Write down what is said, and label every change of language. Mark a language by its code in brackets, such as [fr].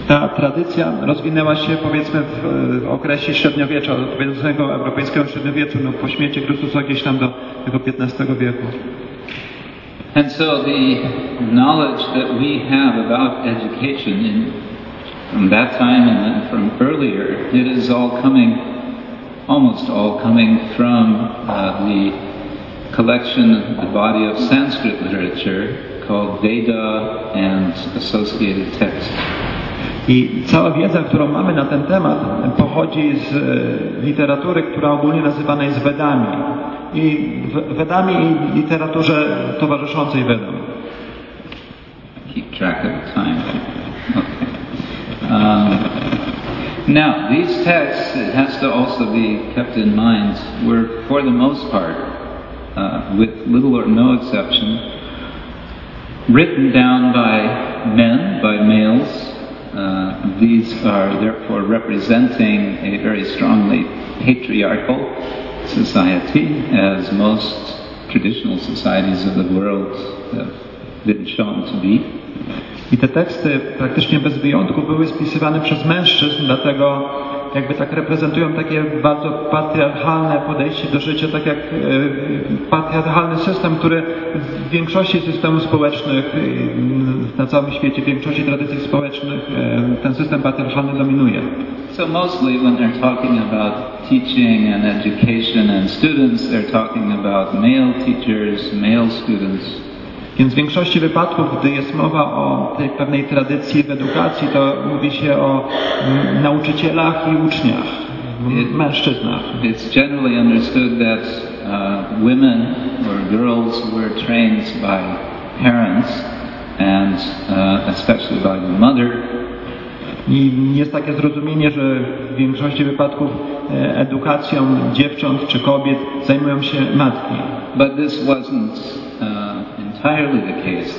[pl] Ta tradycja rozwinęła się, powiedzmy, w okresie średniowiecza, odpowiedzącego europejskiego średniowieczu, no po śmierci Chrystusa gdzieś tam do tego 15 wieku. [en] And so the knowledge that we have about education in from that time and then from earlier, it is all coming, almost all coming from the collection, the body of Sanskrit literature called Veda and associated texts. [pl] I cała wiedza, którą mamy na ten temat, pochodzi z literatury, która ogólnie nazywana jest Wedami. I Wedami i literaturze towarzyszącej Wedom. [en] Keep track of the time. Okay. Now, these texts, it has to also be kept in mind, were for the most part, with little or no exception, written down by men, by males. These are therefore representing a very strongly patriarchal society, as most traditional societies of the world have been shown to be. [pl] I te teksty praktycznie bez wyjątku były spisywane przez mężczyzn, dlatego jakby tak reprezentują takie bardzo patriarchalne podejście do życia, tak jak patriarchalny system, który w większości systemów społecznych na całym świecie, w większości tradycji społecznych ten system patriarchalny dominuje. [en] So mostly when they're talking about teaching and education and students, they're talking about male teachers, male students. [pl] Więc w większości wypadków, gdy jest mowa o tej pewnej tradycji w edukacji, to mówi się o nauczycielach i uczniach, mężczyznach. [en] It's generally understood that women or girls were trained by parents and especially by the mother. [pl] I jest takie zrozumienie, że w większości wypadków edukacją dziewcząt czy kobiet zajmują się matki. [en] But this wasn't entirely the case.